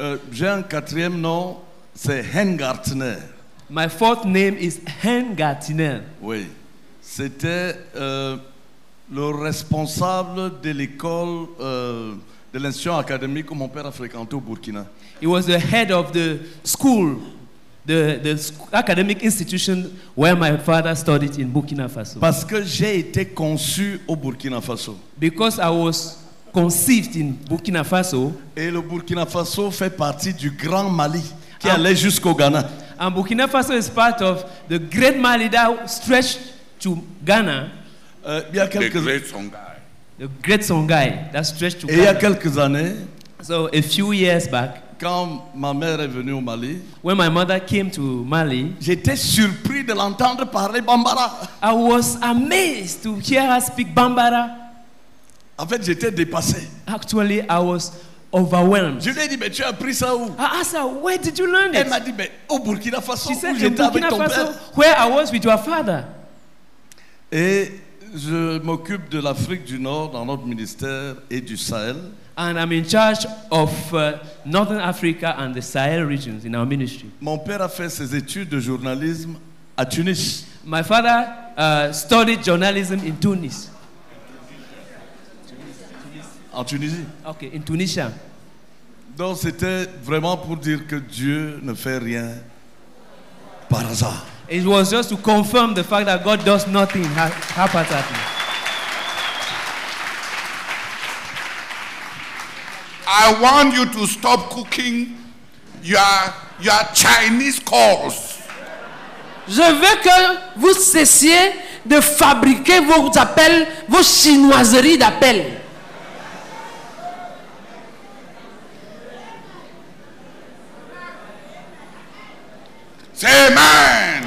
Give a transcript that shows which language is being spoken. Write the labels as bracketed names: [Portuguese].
[French] J'ai un quatrième nom, c'est Hengartner. [English] My fourth name is Hengartner. [French] Oui, c'était le responsable de l'école de l'institution académique où mon père a fréquenté au Burkina. [English] He was the head of the school. The academic institution where my father studied in Burkina Faso. [French] Parce que j'ai été conçu au Burkina Faso. [English] Because I was conceived in Burkina Faso. [French] Et le Burkina Faso fait partie du Grand Mali qui allait jusqu'au Ghana. [English] And Burkina Faso is part of the Great Mali that stretched to Ghana. The Great Songhai that stretched to [French] Ghana. Il y a quelques années. [English] So a few years back. [French] Quand ma mère est venue au Mali, [English] when my mother came to Mali, [French] j'étais surpris de l'entendre parler Bambara. [English] I was amazed to hear her speak Bambara. [French] En fait, j'étais dépassé. [English] Actually, I was overwhelmed. [French] Je lui ai dit, mais tu as appris ça où? [English] I asked her, where did you learn it? [French] Elle m'a dit, mais au Burkina Faso. [English] She said, [French] j'étais Burkina avec ton Faso, père. [English] Where I was with your father. [French] Et je m'occupe de l'Afrique du Nord dans notre ministère et du Sahel. [English] And I'm in charge of Northern Africa and the Sahel regions in our ministry. [French] Mon père a fait ses études de journalisme à Tunis. [English] My father studied journalism in Tunis. [French] En Tunisie. [English] Okay, in Tunisia. [French] Donc c'était vraiment pour dire que Dieu ne fait rien par hasard. [English] It was just to confirm the fact that God does nothing haphazardly. I want you to stop cooking your Chinese calls. [French] Je veux que vous cessiez de fabriquer vos appels, vos chinoiseries d'appel. [English] Say amen.